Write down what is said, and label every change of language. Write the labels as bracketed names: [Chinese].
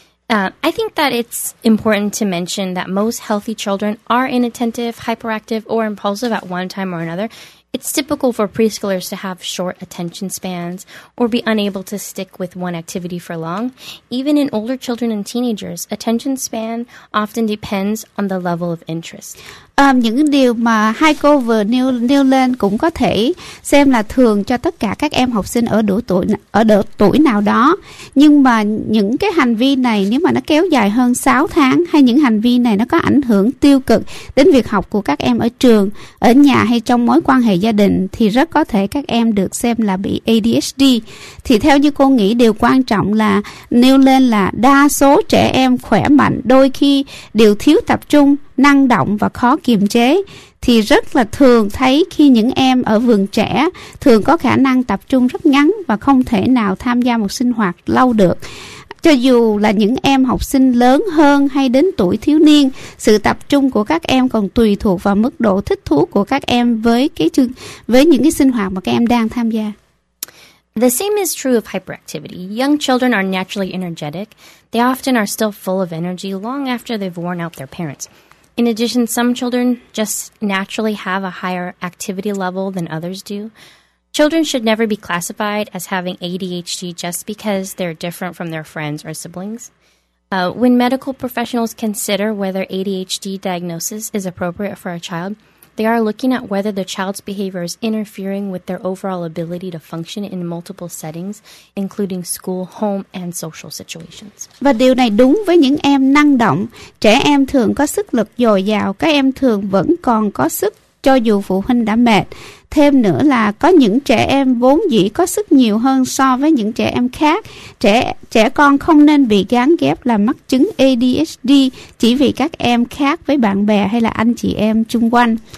[English] I think that it's important to mention that most healthy children are inattentive, hyperactive, or impulsive at one time or another. It's typical for preschoolers to have short attention spans or be unable to stick with one activity for long. Even in older children and teenagers, attention span often depends on the level of interest. [Vietnamese] Những điều mà hai cô vừa nêu lên cũng có thể xem là thường cho tất cả các em học sinh ở độ tuổi nào đó. Nhưng mà những cái hành vi này nếu mà nó kéo dài hơn 6 tháng hay những hành vi này nó có ảnh hưởng tiêu cực đến việc học của các em ở trường, ở nhà hay trong mối quan hệ gia đình thì rất có thể các em được xem là bị ADHD. Thì theo như cô nghĩ điều quan trọng là nêu lên là đa số trẻ em khỏe mạnh đôi khi đều thiếu tập trung, năng động và khó kiềm chế, thì rất là thường thấy khi những em ở vườn trẻ thường có khả năng tập trung rất ngắn và không thể nào tham gia một sinh hoạt lâu được. Cho dù là những em học sinh lớn hơn hay đến tuổi thiếu niên, sự tập trung của các em còn tùy thuộc vào mức độ thích thú của các em với những cái sinh hoạt mà các em đang tham gia. [English] The same is true of hyperactivity. Young children are naturally energetic. They often are still full of energy long after they've worn out their parents. In addition, some children just naturally have a higher activity level than others do. Children should never be classified as having ADHD just because they're different from their friends or siblings. When medical professionals consider whether ADHD diagnosis is appropriate for a child, they are looking at whether the child's behavior is interfering with their overall ability to function in multiple settings, including school, home, and social situations. [Vietnamese] Và điều này đúng với những em năng động. Trẻ em thường có sức lực dồi dào, các em thường vẫn còn có sức cho dù phụ huynh đã mệt. Thêm nữa là có những trẻ em vốn dĩ có sức nhiều hơn so với những trẻ em khác. Trẻ con không nên bị gán ghép là mắc chứng ADHD chỉ vì các em khác với bạn bè hay là anh chị em chung quanh.